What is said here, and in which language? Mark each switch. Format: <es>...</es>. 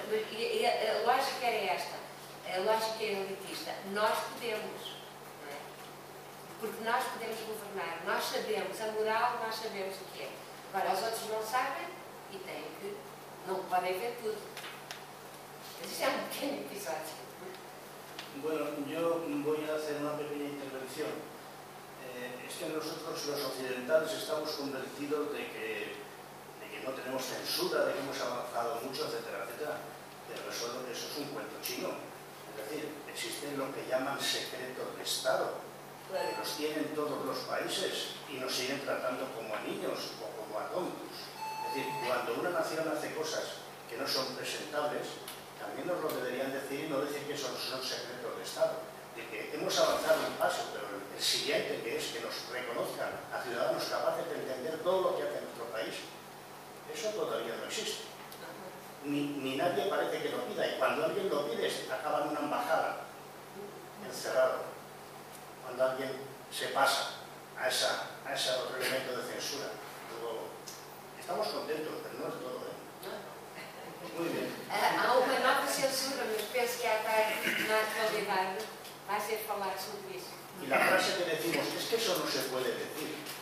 <pt>E a lógica era esta, a lógica era elitista. Nós podemos, não é? Porque nós podemos governar, nós sabemos, a moral, nós sabemos o que é. Agora, os outros não sabem e têm que, não podem ver tudo. Mas isto é um pequeno episódio.</pt> <es>Bueno, yo voy a hacer una pequeña intervención. Es que nosotros los occidentales estamos convencidos de que no tenemos censura, de que hemos avanzado mucho, etcétera, etcétera. Pero resuelvo que eso es un cuento chino. Es decir, existen lo que llaman secretos de Estado, que los tienen todos los países y nos siguen tratando como a niños o como a tontos. Es decir, cuando una nación hace cosas que no son presentables, también nos lo deberían decir y no decir que es un secreto de Estado, de que hemos avanzado un paso, pero el siguiente, que es que nos reconozcan a ciudadanos capaces de entender todo lo que hace nuestro país, eso todavía no existe. Ni nadie parece que lo pida, y cuando alguien lo pide, acaba en una embajada, encerrado. Cuando alguien se pasa a ese otro elemento de censura, todo... estamos contentos, pero no es todo.</es> <pt>Há uma nova censura, mas penso que há tarde, na atualidade, vai ser falado sobre isso. E a frase que decimos é que isso não se pode dizer.</pt>